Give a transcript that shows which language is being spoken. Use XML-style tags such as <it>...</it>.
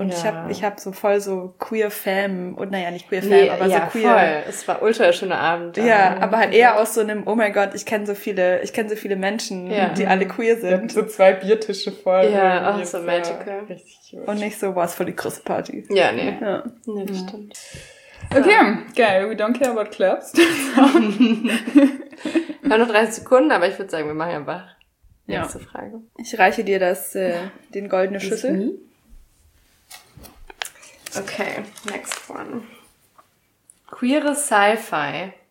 <de>Und ich hab so voll so Queer-Fam. Und naja, nicht Queer-Fam, aber ja, so Queer... Ja, voll. Es war ultra schöner Abend. Ja, aber halt eher aus so einem, oh mein Gott, ich kenne so viele Menschen, die alle queer sind. So zwei Biertische voll. Ja, auch so magical. Richtig. Und nicht so, boah, es voll die große Party. Ja, nee. Ja. Nee, das stimmt.</de> <en>Okay,</en> <de>geil,</de> <en>we don't care about clubs.</en> <de>Wir haben noch 30 Sekunden, aber ich würde sagen, wir machen einfach die nächste Frage. Ich reiche dir das, den goldene Schlüssel.</de> <en>Okay, next one.</en> <de>Queere</de> <en>Sci-Fi.</en>